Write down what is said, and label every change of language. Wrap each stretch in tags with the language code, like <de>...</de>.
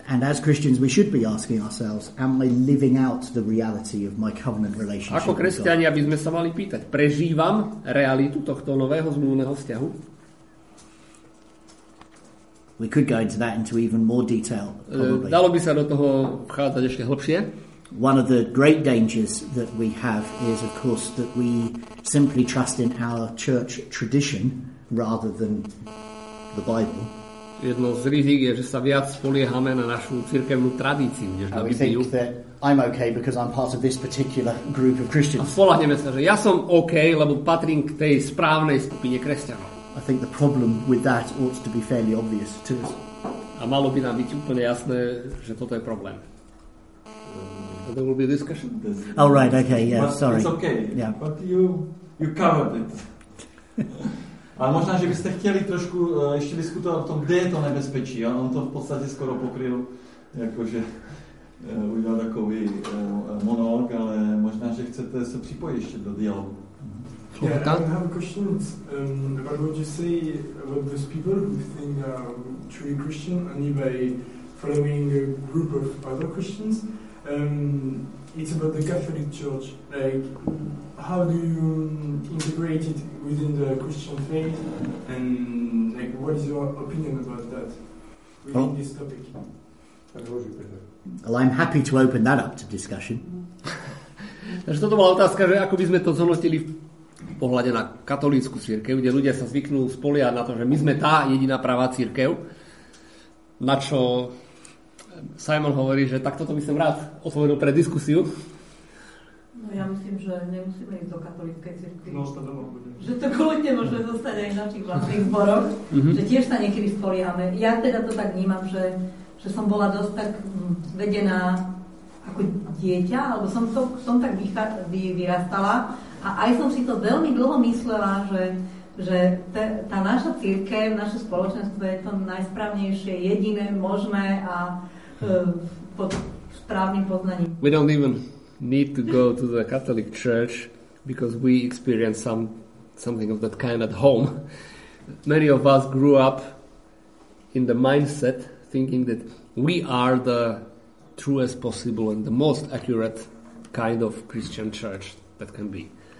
<en>And as Christians we should be asking ourselves, am I living out the reality of my covenant relationship?</en> <sk>Ako kresťania by sme sa mali pýtať, prežívam realitu tohto nového zmluvného vzťahu?</sk> <en>We could go into that into even more detail. Probably.</en> <sk>Dalo by sa do toho vchádzať ešte hlbšie.</sk> <en>One of the great dangers that we have is, of course, that we simply trust in our church tradition. rather than the Bible.</en> <sk>Jedno z rizik je, že sa viac spoliehame na našu cirkevnú tradíciu, než na Bibliu.</sk> <en>We think that I'm okay because I'm part of this particular group of Christians.</en> <sk>A spoľahneme sa, že ja som okay, lebo patrím k tej správnej skupine kresťanov.</sk> <en>I think the problem with that ought to be fairly obvious to us.</en> <sk>A malo by nám byť úplne jasné, že toto je problém.</sk> <en>There will be a discussion. Oh, right, okay, yeah, but sorry. It's okay, yeah. But you covered it.</en> <cs>A možná, že by ste chtěli trošku ešte diskutovať o tom, kde je to nebezpečí. Ja? On to v podstate skoro pokryl, akože udělal takový monolog, ale možná, že chcete sa pripojiť ešte do dialogu.</cs> <en>Yeah, I have a question about what you say about those people who think true Christian only by following a group of other Christians. It's about the Catholic Church. Like, how do you integrate it within the Christian faith? And like, what is your opinion about that within this topic? Well, I'm happy to open that up to discussion.</en> <sk>Takže toto bola otázka, že ako by sme to zhodnotili pohľade na katolícku cirkev, kde ľudia sa zvyknú spoliehať na to, že my sme tá jediná pravá cirkev, na čo Simon hovorí, že tak toto by som rád otvoril pre diskusiu. No ja myslím, že nemusíme ísť do katolíckej cirkvi. No, to doma bude. Že to kľudne môže zostať aj v našich vlastných zboroch, že tiež sa niekedy spoliehame. Ja teda to tak vnímam, že som bola dosť tak vedená ako dieťa, alebo som tak vyrastala. A aj som si to veľmi dlho myslela, že tá naša cirkev, naše spoločenstvo je to najsprávnejšie, jediné, možné a pod správnym poznaním.</sk> <en>We don't even need to go to the Catholic Church because we experience something of that kind at home. Many of us grew up in the mindset thinking that we are the truest possible and the most accurate kind of Christian church that can be.</en>